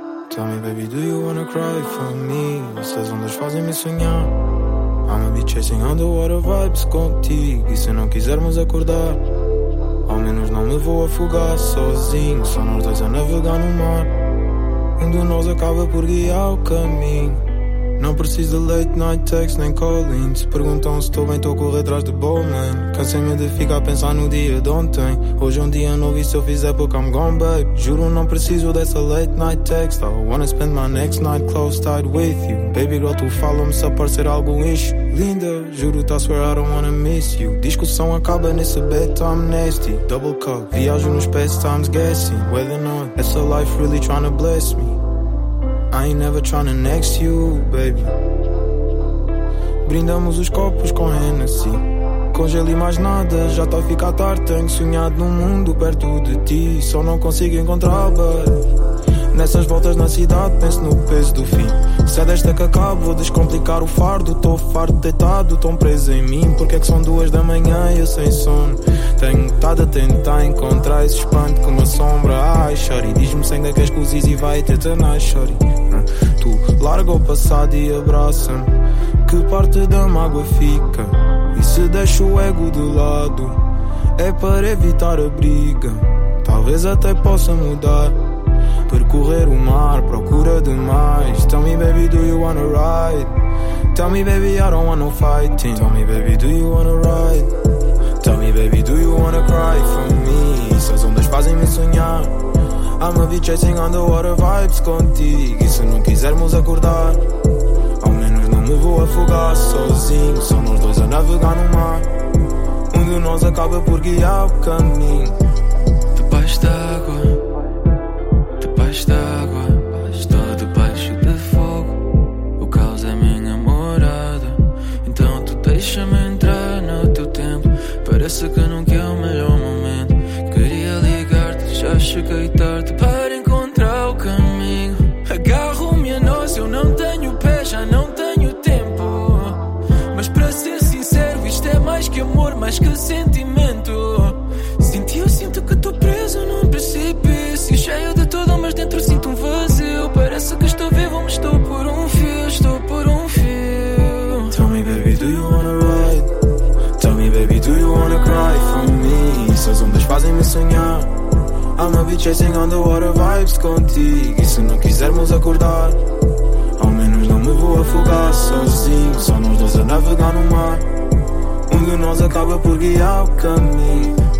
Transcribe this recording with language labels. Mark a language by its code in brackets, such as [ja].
[en] Tell me, baby, do you wanna cry for me? [pt] Vocês vão desfazer me sonhar. [en] I'ma be chasing underwater vibes [pt] contigo. E se não quisermos acordar, ao menos não me vou afogar sozinho. Só nós dois a navegar no mar. Um de nós acaba por guiar o caminho. Não preciso de [en] late night texts [pt] nem calling. Se perguntam se estou bem, estou a correr atrás de Bowman. Cansei-me de ficar a pensar no dia de ontem. Hoje é um dia novo e se eu fizer porque [en] I'm gone, babe. [pt] Juro não preciso dessa [en] late night text. I wanna spend my next night close tied with you. Baby girl, [pt] tu fala-me se aparecer algum issue. Linda, juro, tá, [en] swear I don't wanna miss you. [pt] Discussão acaba nesse [en] bedtime nasty. Double cup, [pt] viajo nos [en] past times guessing. Whether or not, essa life really tryna bless me. I ain't never tryna next you, baby. [pt] Brindamos os copos com Hennessy. Congelo e mais nada, já tá a ficar tarde. Tenho sonhado num mundo perto de ti. Só não consigo encontrar, baby. Nessas voltas na cidade, penso no peso do fim. Se é desta que acabo, vou descomplicar o fardo. Tô farto, deitado, tão preso em mim. Porque é que são duas da manhã e eu sem sono? Tenho estado a tentar encontrar esse espanto que me assombra. Ai, shorty, diz-me se ainda queres cozis e vai ter [en] tonight, shorty. [pt] Tu larga o passado e abraça-me. Que parte da mágoa fica? E se deixo o ego de lado? É para evitar a briga. Talvez até possa mudar. Percorrer o mar, procura demais. [en] Tell me, baby, do you wanna ride? Tell me, baby, I don't want no fighting. Tell me, baby, do you wanna ride? Tell me, baby, do you wanna cry for me? [pt] Essas ondas fazem-me sonhar. [en] I'ma be chasing underwater vibes [pt] contigo. E se não quisermos acordar, ao menos não me vou afogar sozinho. Só nós dois a navegar no mar. Um de nós acaba por guiar o caminho. Debaixo d'água, debaixo d'água, estou debaixo de fogo. O caos é minha morada. Então tu deixa-me entrar no teu tempo. Parece que nunca é o melhor momento. Queria ligar-te, já cheguei tarde para encontrar o caminho. Agarro-me a nós, eu não tenho pé, já não tenho tempo. Mas para ser sincero, isto é mais que amor, mais que sentimento. Senti, eu sinto que estou preso num precipício, cheio de tudo, mas dentro sinto um vazio. Parece que estou vivo, mas estou por um fio, estou por um fio. [en] Tell me, baby, do you wanna ride? Tell me, baby, do you wanna cry for me? [pt] Essas ondas fazem-me sonhar. [en] I'ma be chasing underwater vibes [pt] contigo. E se não quisermos acordar, ao menos não me vou afogar sozinho. Só nós dois a navegar no mar. Um de nós acaba por guiar o caminho.